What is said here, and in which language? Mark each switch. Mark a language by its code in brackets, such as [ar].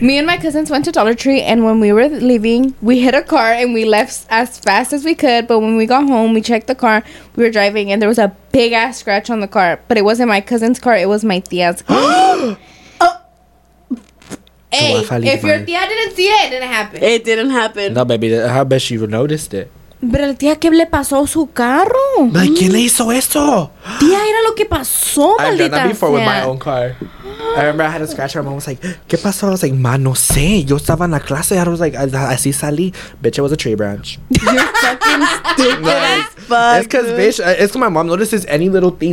[en] Me and my cousins went to Dollar Tree, and when we were leaving, we hit a car and we left as fast as we could. But when we got home, we checked the car we were driving, and there was a big ass scratch on the car. But it wasn't my cousin's car; it was my tia's car. if your tia didn't see it, it didn't happen. No, baby, how best you even noticed it. [es] Pero la tía, ¿qué le pasó a su carro? Like, ¿quién le hizo esto? Tía, era lo que pasó, maldita. [en] I've done that before with my own car. I remember I had a scratch. My mom was like, [es] ¿qué pasó? [en] I was like, ma, [es] no sé. Yo estaba en la clase. [en] I was like, [es] así salí. [en] Bitch, it was a tree branch. You're fucking stupid. It's because, bitch, it's because my mom notices any little thing.